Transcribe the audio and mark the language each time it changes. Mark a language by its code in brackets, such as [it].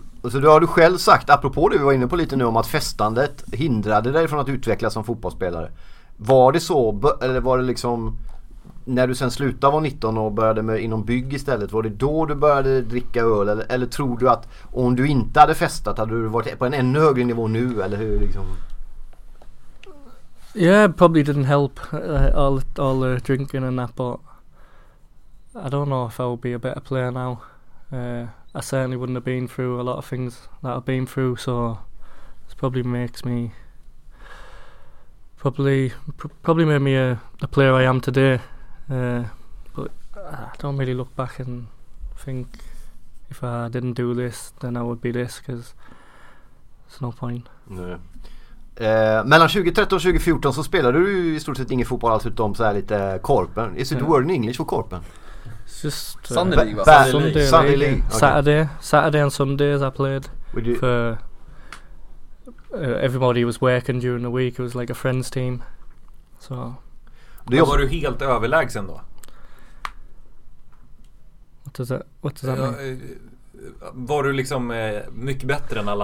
[sv] Så du har du själv sagt, apropå det vi var inne på lite nu, om att festandet hindrade dig från att utvecklas som fotbollsspelare. Var det så, eller var det liksom när du sen slutade vara 19 och började med inom bygg istället, var det då du började dricka öl, eller tror du att om du inte hade festat hade du varit på en ännu högre nivå nu, eller hur liksom? [en] Yeah, probably didn't help all the drinking and that, but I don't know if I would be a better player now. I certainly wouldn't have been through a lot of things that I've been through, so it probably makes me probably made me the player I am today. But I don't really look back and think if I didn't do this then I would be this, because it's no point. [sv] Mellan 2013 och 2014 så spelade du i stort sett ingen fotboll alls utom så här lite Korpen. [en] Is it word in English for Korpen? It's just Sunday league. Saturday and Sundays I played for everybody was working during the week. It was like a friends team. So [sv] då var du helt överlägsen då? [en] What does that mean? [sv] Var du liksom mycket bättre än alla